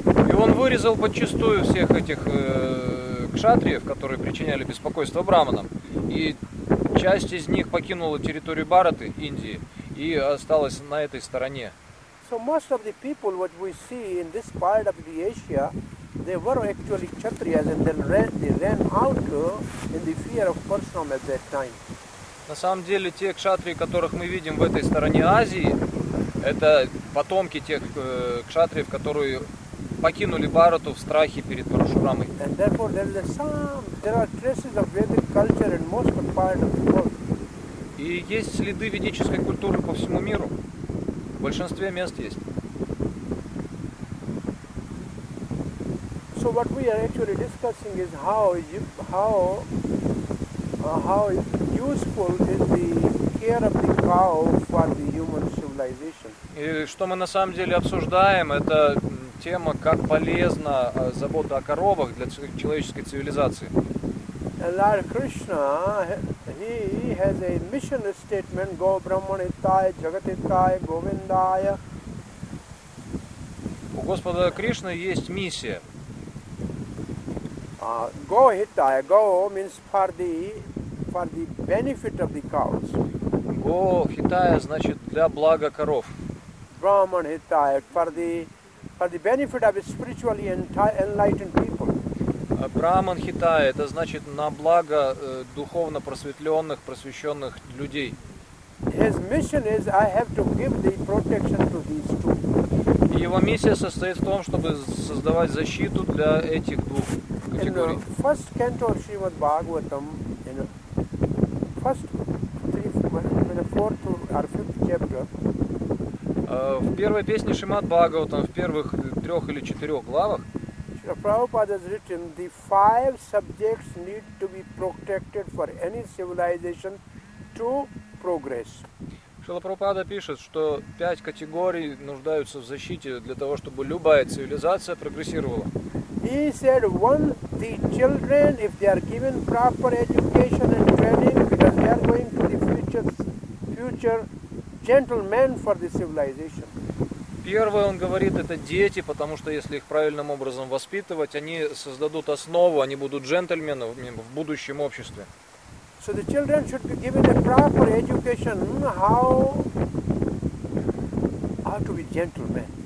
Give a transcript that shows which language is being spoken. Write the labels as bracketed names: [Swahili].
[Russian] И он вырезал подчистую всех этих кшатриев, которые причиняли беспокойство браманам. И часть из них покинула территорию Бхараты, Индии, и осталась на этой стороне. [English] So most of the people what we see in this part of the Asia, they were actually Kshatriyas and then ran out in the fear of Parshuram at that time. [Russian] На самом деле те кшатрии, которых мы видим в этой стороне Азии, это потомки тех кшатриев, которые покинули Бхарату в страхе перед Парашурамой. [English] And therefore there are traces of Vedic culture in most part of the world. [Russian] И есть следы ведической культуры по всему миру. В большинстве мест есть. [English] So what we are actually discussing is how useful is the care of the cow for the human civilization. [Russian] И что мы на самом деле обсуждаем, это тема, как полезна забота о коровах для человеческой цивилизации. [English] Lord Krishna, he has a mission statement, Go Brahmanitai, Jagatitai, Govindaya. [Russian] У Господа Кришны есть миссия. [English] Go Hitai, Go means for the benefit of the cows. [Russian] Go Hitai, значит, для блага коров. [English] Brahmanitai, for the benefit of spiritually enlightened people. [Russian] Браман Хитая, это значит на благо духовно просветленных, просвещенных людей. [English] His mission is, I have to give the protection to these two. [Russian] И его миссия состоит в том, чтобы создавать защиту для этих двух категорий. [English] In the first canto of Srimad Bhagavatam, in the first three, in the fourth or fifth chapter, [Russian] в первой песне Шримад Бхагаватам, в первых трех или четырех главах, [English] Prabhupada has written, the five subjects need to be protected for any civilization to progress. [Russian] Шрила Прабхупада пишет, что пять категорий нуждаются в защите для того, чтобы любая цивилизация прогрессировала. [English] He said, one, the children, if they are given proper education and training, because they are going to the future gentlemen for the civilization. [Russian] Первое, он говорит, это дети, потому что если их правильным образом воспитывать, они создадут основу, они будут джентльменами в будущем обществе. [English] So the children should be given a proper education how to be gentlemen.